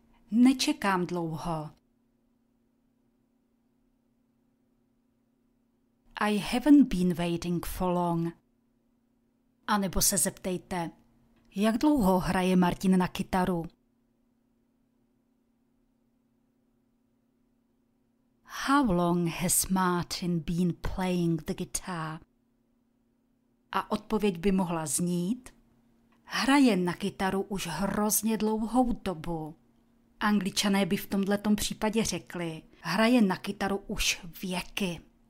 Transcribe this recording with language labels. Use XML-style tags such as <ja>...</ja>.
<cs>Nečekám dlouho.</cs> <en>I haven't been waiting for long.</en> <cs>A nebo se zeptejte, jak dlouho hraje Martin na kytaru?</cs> <en>How long has Martin been playing the guitar?</en> <cs>A odpověď by mohla znít, hraje na kytaru už hrozně dlouhou dobu. Angličané by v tomhletom případě řekli, hraje na kytaru už věky.</cs>